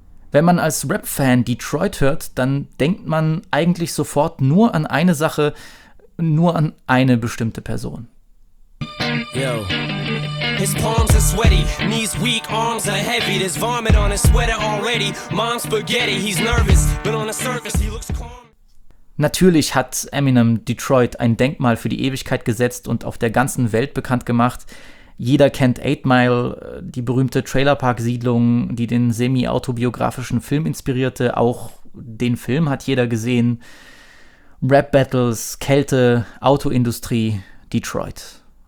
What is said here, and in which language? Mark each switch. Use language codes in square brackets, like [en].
[de] Wenn man als Rap-Fan Detroit hört, dann denkt man eigentlich sofort nur an eine Sache, nur an eine bestimmte Person. [en] Yo, His palms are sweaty, knees weak, arms are heavy. There's vomit on his sweater already. Mom's spaghetti, he's nervous, but on the surface he looks calm. [de] Natürlich hat Eminem Detroit ein Denkmal für die Ewigkeit gesetzt und auf der ganzen Welt bekannt gemacht. Jeder kennt 8 Mile, die berühmte Trailerpark-Siedlung, die den semi-autobiografischen Film inspirierte. Auch den Film hat jeder gesehen. Rap-Battles, Kälte, Autoindustrie, Detroit.